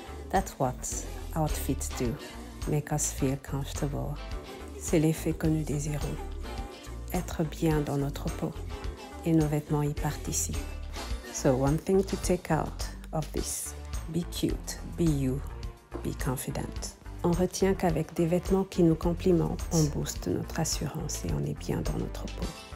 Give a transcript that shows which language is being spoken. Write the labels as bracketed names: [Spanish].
[English] That's what outfits do, make us feel comfortable. [French] C'est l'effet que nous désirons, être bien dans notre peau et nos vêtements y participent. [English] So one thing to take out of this, be cute, be you, be confident. [French] On retient qu'avec des vêtements qui nous complimentent, on booste notre assurance et on est bien dans notre peau.